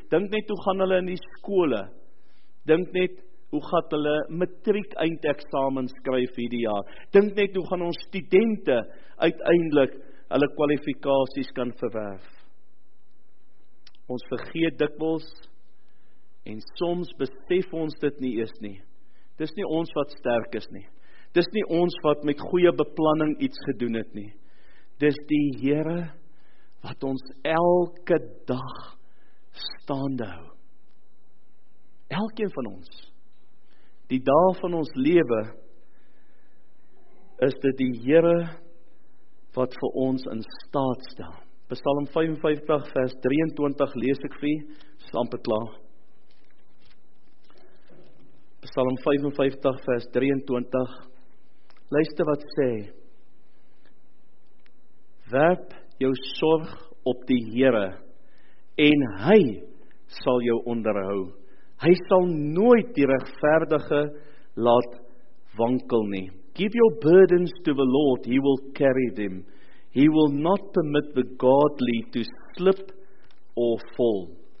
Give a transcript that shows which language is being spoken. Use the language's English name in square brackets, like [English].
[Afrikaans] Dink net, hoe gaan hulle in die skole? Dink net, hoe gaat hulle matriek eindeksamen skryf hierdie jaar? Dink net, hoe gaan ons studente uiteindelik hulle kwalifikasies kan verwerf. Ons vergeet dikwels, en soms besef ons dit nie eers nie. Dis nie ons wat sterk is nie. Dis nie ons wat met goeie beplanning iets gedoen het nie. Dis die Here wat ons elke dag staande hou. Elkeen van ons. Die dag van ons lewe is dit die Here wat vir ons in staat stel. Psalm 55 vers 23 lees ek vir u, is amper klaar. Psalm 55 vers 23. Luister wat sê: werp jou sorg op die Here en hy sal jou onderhou. Hy sal nooit die regverdige laat wankel nie. [English] Give your burdens to the Lord, he will carry them. He will not permit the godly to slip or fall.